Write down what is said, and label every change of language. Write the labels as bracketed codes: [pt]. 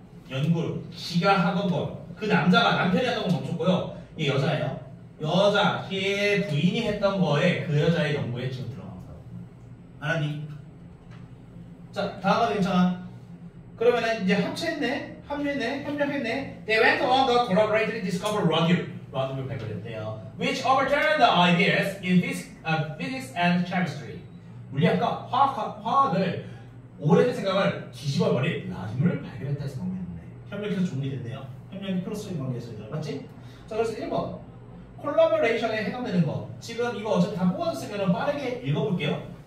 [ko] 연구를 지가 하던 걸 그 남자가 남편이 하던 걸 멈췄고요. 이게 여자예요. 여자 걔 부인이 했던 거에 그 여자의 연구에 지금 들어간 거예요. 알았니? 자, 다음은 괜찮아. 그러면은 이제 합체했네, 합류했네, 협력했네. [en] They went on the collaboratively discovered radium. Radium [ko] 발견했대요. [en] Which overturned the ideas in physics and chemistry. [ko] 물리학과 화학을 오래된 생각을 뒤집어버린 라듐을 발견했다 해서 협력해서 종료됐네요. 협력이 크로스인 관계에서 이제 맞지? 자, 그래서 1번 콜라보레이션에 해당되는 거 지금 이거 어차피 다 뽑아줬으면 빠르게 읽어볼게요.